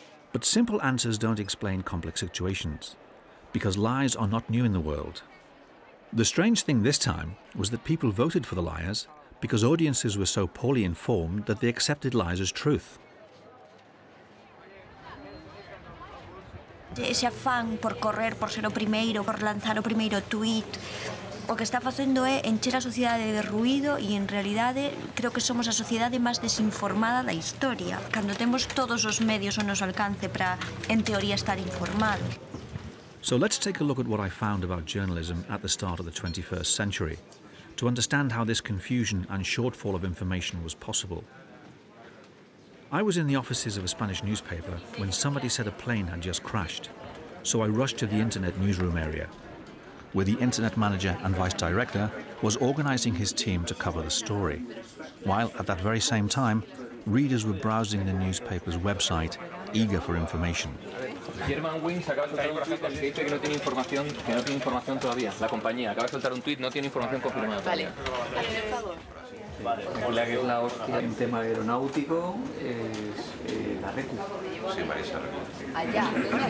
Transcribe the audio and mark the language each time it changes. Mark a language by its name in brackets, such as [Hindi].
[English] But simple answers don't explain complex situations, because lies are not new in the world. The strange thing this time was that people voted for the liars because audiences were so poorly informed that they accepted lies as truth. [Spanish] Ese afán por correr, por ser lo primero, por lanzar lo primero tweet, lo que está haciendo es encher a sociedad de ruido y en realidad creo que somos la sociedad más desinformada de la historia. Cuando tenemos todos los medios a nuestro alcance para, en teoría, estar informados. [English] So let's take a look at what I found about journalism at the start of the 21st century to understand how this confusion and shortfall of information was possible. I was in the offices of a Spanish newspaper when somebody said a plane had just crashed. So I rushed to the internet newsroom area, where the internet manager and vice director was organizing his team to cover the story, while at that very same time, readers were browsing the newspaper's website, eager for information. [Spanish] German Wings acaba de soltar un tweet que dice que no tiene información todavía. La compañía acaba de soltar un tweet, no tiene información confirmada. Vale. Vale. Vale. Una hostia. En tema aeronáutico es la RECU. Sí, Marisa RECU. Allá. ¿La